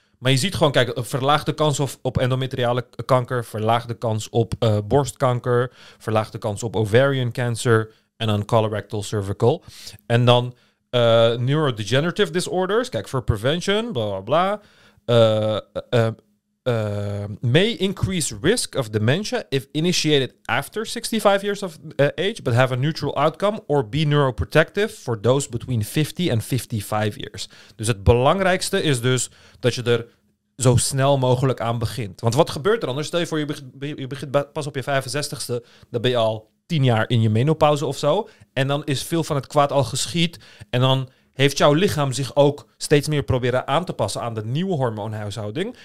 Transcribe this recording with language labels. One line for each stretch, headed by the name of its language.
Dutch: Maar je ziet gewoon, kijk, verlaagde kans op endometriale kanker, verlaagde kans op borstkanker, verlaagde kans op ovarian cancer en dan colorectal cervical. En dan neurodegenerative disorders, kijk, voor prevention, bla bla bla.
English: May increase risk of dementia if initiated after 65 years of age, but have a neutral outcome or be neuroprotective for those between 50 and 55 years.
Dutch: Dus het belangrijkste is dus dat je er zo snel mogelijk aan begint. Want wat gebeurt er anders? Stel je voor, je begint pas op je 65ste, dan ben je al 10 jaar in je menopauze of zo. En dan is veel van het kwaad al geschied en dan heeft jouw lichaam zich ook steeds meer proberen aan te passen aan de nieuwe hormoonhuishouding.